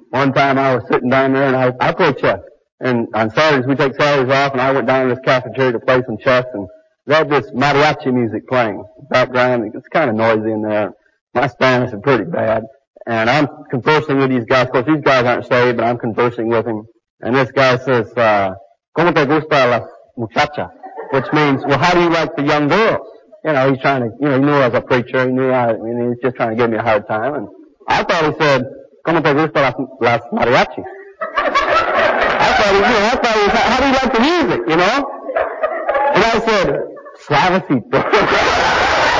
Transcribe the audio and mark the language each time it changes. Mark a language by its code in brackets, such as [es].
[en] One time I was sitting down there and I played chess. And on Saturdays we take Saturdays off and I went down to this cafeteria to play some chess and they had this mariachi music playing. Background, it's kind of noisy in there. My Spanish is pretty bad. And I'm conversing with these guys. Of course, these guys aren't saved, but I'm conversing with him. And this guy says, [es] ¿Cómo te gusta la muchacha? [en] Which means, well, how do you like the young girls? You know, he's trying to, you know, he knew I was a preacher. He knew I mean, he was just trying to give me a hard time. And I thought he said, [es] ¿Cómo te gusta las mariachi? [en] I thought he was, how do you like the music, you know? And I said, [es] suavecito.